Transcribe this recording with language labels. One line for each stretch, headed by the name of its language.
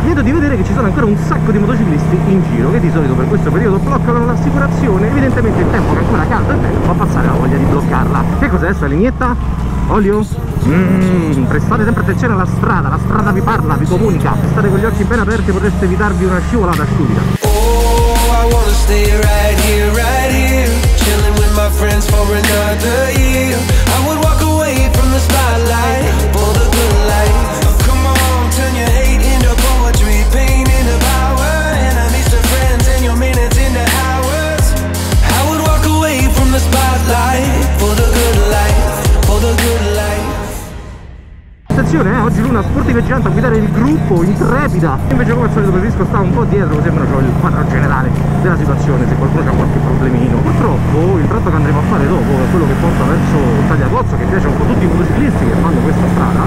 Italian: Vedo di vedere che ci sono ancora un sacco di motociclisti in giro, che di solito per questo periodo bloccano l'assicurazione. Evidentemente il tempo che è ancora caldo e bello fa passare la voglia di bloccarla. Che cos'è questa lineetta? Olio? Prestate sempre attenzione alla strada, la strada vi parla, vi comunica. State con gli occhi ben aperti, potreste evitarvi una scivolata stupida.
English: Oh, I wanna stay right here, chilling with my friends for another year. I would walk away from the spotlight for the good life. Oh, come on, turn your hate into poetry, pain into power. Enemies to friends and your minutes into hours. I would walk away from the spotlight for the good life. For the good life.
Italian: Oggi Luna sportiveggiante a guidare il gruppo, intrepida. Invece come al solito preferisco stare un po' dietro, così almeno c'ho il quadro generale della situazione, se qualcuno ha qualche problemino. Purtroppo il tratto che andremo a fare dopo è quello che porta verso Tagliacozzo, che piace un po' tutti i motociclisti che fanno questa strada.